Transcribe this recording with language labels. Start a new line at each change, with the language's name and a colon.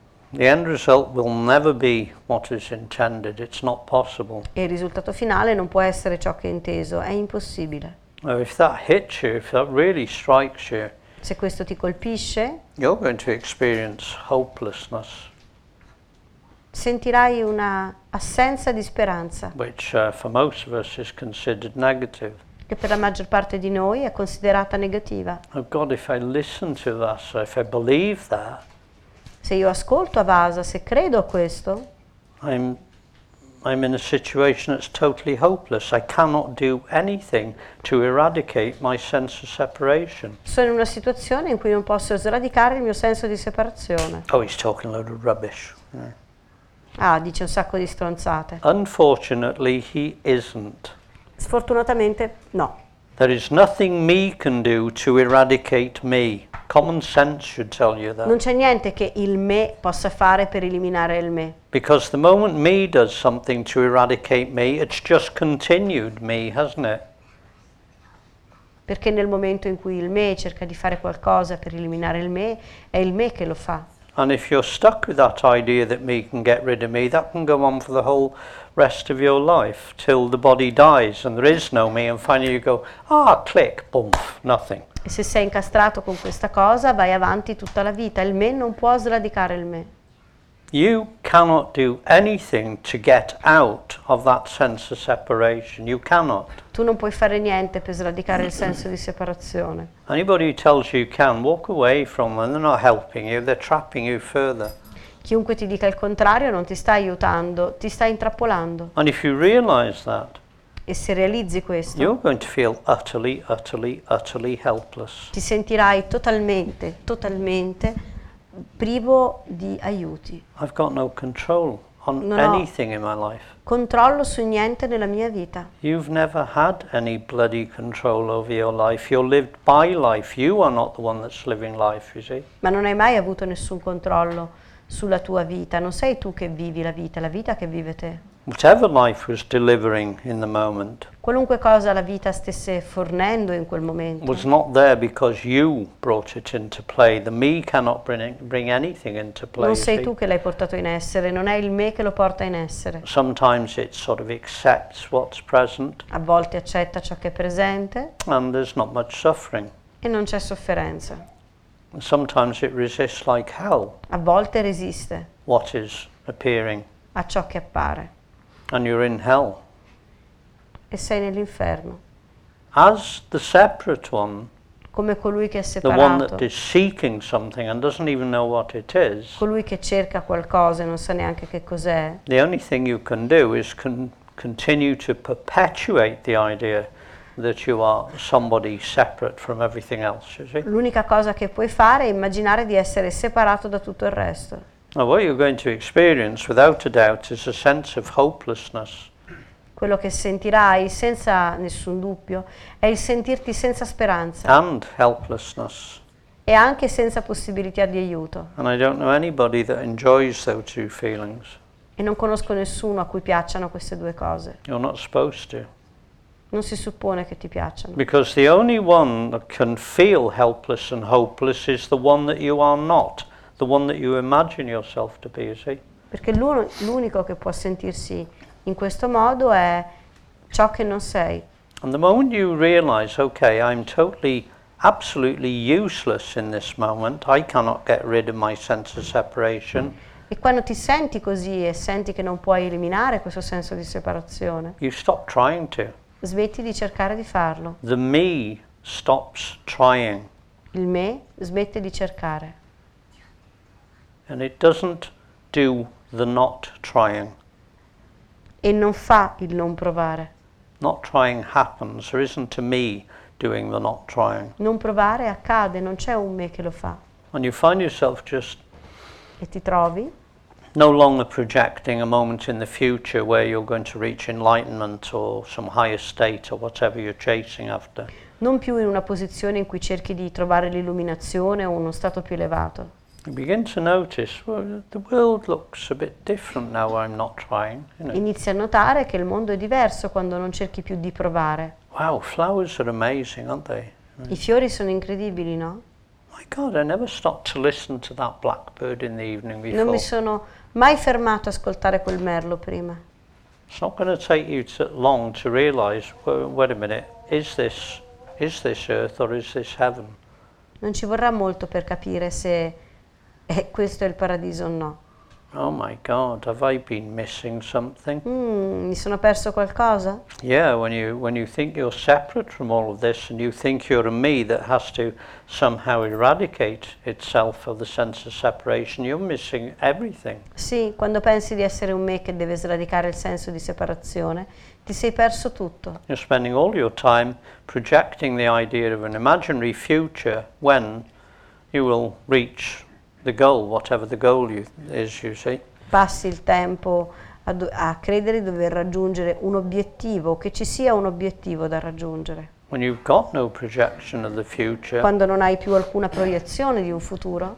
English: The end result will never be what is intended. It's not possible.
Italian: E il risultato finale non può essere ciò che è inteso. È impossibile.
English: If that hits you, if that really strikes you,
Italian: se questo ti colpisce,
English: you're going to experience hopelessness.
Italian: Sentirai una assenza di speranza.
English: Which for most of us is considered negative.
Italian: Che per la maggior parte di noi è considerata negativa.
English: Oh God, if I listen to that, so if I believe that.
Italian: Se io ascolto Avasa, se credo a questo,
English: I'm in a situation that's totally hopeless. I cannot do anything to eradicate my sense of separation.
Italian: Sono in una situazione in cui non posso sradicare il mio senso di separazione.
English: Oh, he's talking a load of rubbish. Yeah.
Italian: Ah, dice un sacco di stronzate.
English: Unfortunately, he isn't.
Italian: Sfortunatamente, no.
English: There is nothing me can do to eradicate me. Common sense should tell you that.
Italian: Non c'è niente che il me possa fare per eliminare il me.
English: Because the moment me does something to eradicate me, it's just continued me, hasn't it?
Italian: Perché nel momento in cui il me cerca di fare qualcosa per eliminare il me, è il me che lo fa.
English: And if you're stuck with that idea that me can get rid of me, that can go on for the whole rest of your life, till the body dies and there is no me, and finally you go, ah, click, boom, nothing.
Italian: E se sei incastrato con questa cosa, vai avanti tutta la vita. Il me non può sradicare il me.
English: You cannot do anything to get out of that sense of separation. You cannot.
Italian: Tu non puoi fare niente per sradicare il senso di separazione.
English: Anybody who tells you can, walk away from them. They're not helping you, they're trapping you further.
Italian: Chiunque ti dica il contrario non ti sta aiutando, ti sta intrappolando.
English: And if you realize that,
Italian: e se realizzi questo,
English: you're going to feel utterly, utterly, utterly helpless.
Italian: Ti sentirai totalmente, totalmente privo di aiuti.
English: I've got no control on anything in my life.
Italian: Controllo su niente nella mia vita.
English: You've never had any bloody control over your life. You're lived by life. You are not the one that's living life, you see?
Italian: Ma non hai mai avuto nessun controllo sulla tua vita. Non sei tu che vivi la vita che vive te.
English: Whatever life was delivering in the moment.
Italian: Qualunque cosa la vita stesse fornendo in quel momento.
English: Was not there because you brought it into play. The me cannot bring anything into play.
Italian: Non sei tu che l'hai portato in essere, non è il me che lo porta in essere.
English: Sometimes it sort of accepts what's present.
Italian: A volte accetta ciò che è presente.
English: And there's not much suffering.
Italian: E non c'è sofferenza.
English: Sometimes it resists like hell.
Italian: A volte resiste.
English: What is appearing.
Italian: A ciò che appare.
English: And you're in hell.
Italian: E sei nell'inferno.
English: As the separate one,
Italian: come colui che è separato,
English: the one that is seeking something and doesn't even know what it is,
Italian: colui che cerca qualcosa e non sa neanche che cos'è,
English: the only thing you can do is continue to perpetuate the idea that you are somebody separate from everything else, you see?
Italian: L'unica cosa che puoi fare è immaginare di essere separato da tutto il resto.
English: Now what you're going to experience, without a doubt, is a sense of hopelessness.
Italian: Quello che sentirai, senza nessun dubbio, è il sentirti senza speranza.
English: And helplessness.
Italian: E anche senza possibilità di aiuto.
English: And I don't know anybody that enjoys those two feelings.
Italian: E non conosco nessuno a cui piacciono queste due cose.
English: You're not supposed to.
Italian: Non si suppone che ti piacciono.
English: Because the only one that can feel helpless and hopeless is the one that you are not. The one that you imagine yourself to be, you see?
Italian: Perché l'unico che può sentirsi in questo modo è ciò che non sei.
English: And the moment you realize, okay, I'm totally, absolutely useless in this moment, I cannot get rid of my sense of separation.
Italian: E quando ti senti così e senti che non puoi eliminare questo senso di separazione,
English: you stop trying to.
Italian: Smetti di cercare di farlo.
English: The me stops trying.
Italian: Il me smette di cercare.
English: And it doesn't do the not trying.
Italian: E non fa il non provare.
English: Not trying happens, there isn't a me doing the not trying.
Italian: Non provare accade, non c'è un me che lo fa.
English: And you find yourself just
Italian: e ti trovi
English: no longer projecting a moment in the future where you're going to reach enlightenment or some higher state or whatever you're chasing after.
Italian: Non più in una posizione in cui cerchi di trovare l'illuminazione o uno stato più elevato.
English: You begin to notice, well, the world looks a bit different now I'm not trying. You know.
Italian: Inizi a notare che il mondo è diverso quando non cerchi più di provare.
English: Wow, flowers are amazing, aren't they?
Italian: I fiori sono incredibili, no?
English: My God, I never stopped to listen to that blackbird in the evening before.
Italian: Non mi sono mai fermato ad ascoltare quel merlo prima.
English: It's not going to take you long to realize, wait a minute, is this earth or is this heaven?
Italian: Non ci vorrà molto per capire se questo è il paradiso o no.
English: Oh my God, have I been missing something?
Italian: Mi sono perso qualcosa?
English: Yeah, when you think you're separate from all of this and you think you're a me that has to somehow eradicate itself of the sense of separation, you're missing everything.
Italian: Sì, quando pensi di essere un me che deve sradicare il senso di separazione, ti sei perso tutto.
English: You're spending all your time projecting the idea of an imaginary future when you will reach the goal, whatever the goal is, you see.
Italian: Passi il tempo a credere di dover raggiungere un obiettivo, che ci sia un obiettivo da raggiungere.
English: When you've got no projection of the future.
Italian: Quando non hai più alcuna proiezione di un futuro.